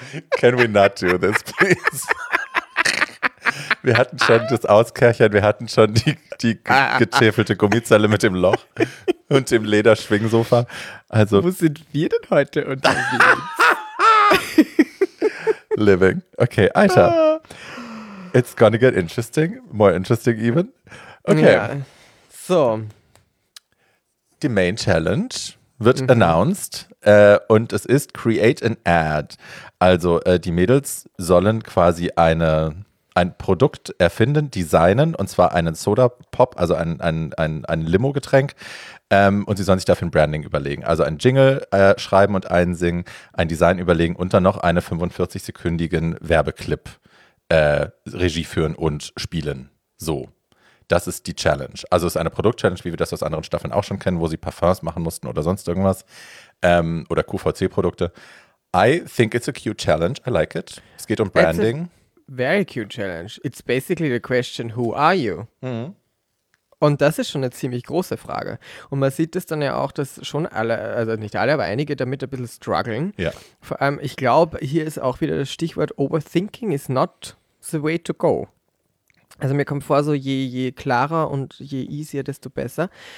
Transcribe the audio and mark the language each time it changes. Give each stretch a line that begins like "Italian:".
English: Can we not do this, please?
German: Wir hatten schon das Auskärchern, wir hatten schon die getäfelte Gummizelle mit dem Loch und dem Lederschwingsofa. Also, wo sind wir denn heute unterwegs?
English: Living. Okay, Alter. It's gonna get interesting. More interesting even. Okay. Ja.
German: So. Die Main Challenge wird announced und es ist Create an Ad. Also die Mädels sollen quasi ein Produkt erfinden, designen und zwar einen Soda Pop, also ein Limo-Getränk. Und sie sollen sich dafür ein Branding überlegen. Also ein Jingle schreiben und einsingen, ein Design überlegen und dann noch einen 45-sekündigen Werbeclip Regie führen und spielen. So, das ist die Challenge. Also es ist eine Produkt-Challenge, wie wir das aus anderen Staffeln auch schon kennen, wo sie Parfums machen mussten oder sonst irgendwas. Oder QVC-Produkte.
English: I think it's a cute challenge. I like it.
German: Es geht um Branding.
English: It's a very cute challenge. It's basically the question, who are you? Mhm.
German: Und das ist schon eine ziemlich große Frage. Und man sieht es dann ja auch, dass schon alle, also nicht alle, aber einige damit ein bisschen strugglen. Ja. Vor allem, ich glaube, hier ist auch wieder das Stichwort,
English: overthinking is not the way to go.
German: Also mir kommt vor, so je klarer und je easier, desto besser.